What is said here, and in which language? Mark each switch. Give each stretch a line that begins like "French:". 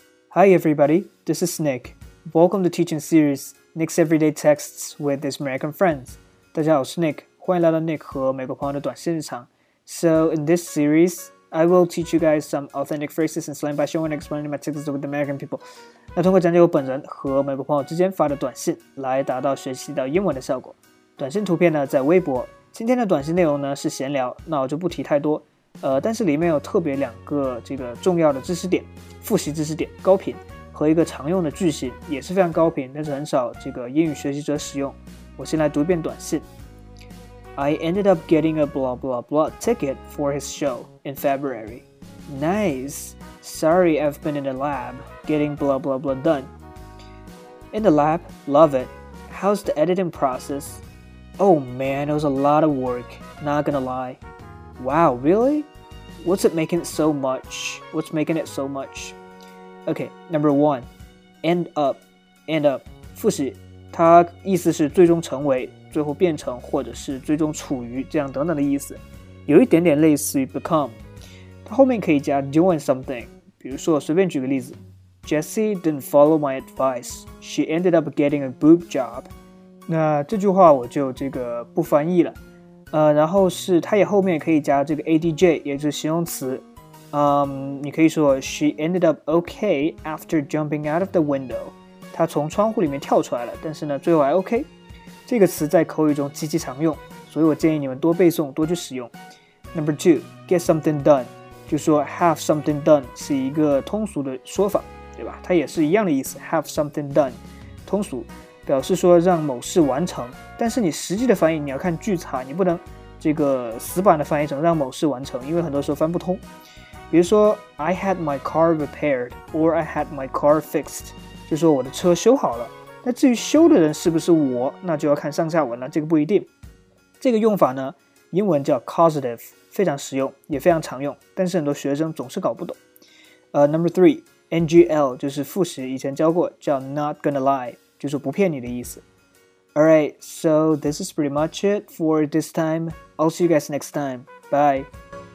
English: Hi everybody, this is Nick. Welcome to teaching series Nick's Everyday Texts with his American friends.
Chinese: 大家好，我是 Nick， 欢迎来到 Nick 和美国朋友的短信日常。
English: So in this series, I will teach you guys some authentic phrases and slang by showing and explaining my texts with American people.
Chinese: 那通过讲解我本人和美国朋友之间发的短信来达到学习到英文的效果。短信图片呢在微博。今天的短信内容呢是闲聊，那我就不提太多。但是里面有特别两个这个重要的知识点，复习知识点高频和一个常用的句型，也是非常高频，但是很少这个英语学习者使用。我先来读一遍短信。
English: I ended up getting a blah blah blah ticket for his show in February. Nice. Sorry, I've been in the lab getting blah blah blah done. In the lab, love it. How's the editing process? Oh man, it was a lot of work. Not gonna lie. Wow, really? What's it making it so much? What's making it so much? Okay, number one, end up.
Chinese: 复习，它意思是最终成为，最后变成，或者是最终处于，这样等等的意思。有一点点类似于 become. 它后面可以加
English: doing something.
Chinese: 比如说，随便举个例子。
English: Jessie didn't follow my advice. She ended up getting a boob job.
Chinese: 那这句话我就这个不翻译了。然后是它也后面可以加这个 ADJ， 也就是形容词。你可以说
English: She ended up okay after jumping out of the window.
Chinese: 她从窗户里面跳出来了，但是呢，最后还 OK。这个词在口语中极其常用，所以我建议你们多背诵，多去使用。
English: Number two, get something done，
Chinese: 就说
English: have something done
Chinese: 是一个通俗的说法，对吧？它也是一样的意思 ，
English: have something done，
Chinese: 通俗。表示说让某事完成，但是你实际的翻译你要看句子，你不能这个死板的翻译成让某事完成，因为很多时候翻不通。比如说
English: I had my car repaired or I had my car fixed，
Chinese: 就说我的车修好了，那至于修的人是不是我，那就要看上下文了，这个不一定。这个用法呢英文叫 causative， 非常实用也非常常用，但是很多学生总是搞不懂。
English: Number three，
Chinese: NGL 就是副词，以前教过，叫
English: not gonna lie，
Chinese: 就是不骗你的意思。
English: Alright, so this is pretty much it for this time. I'll see you guys next time. Bye.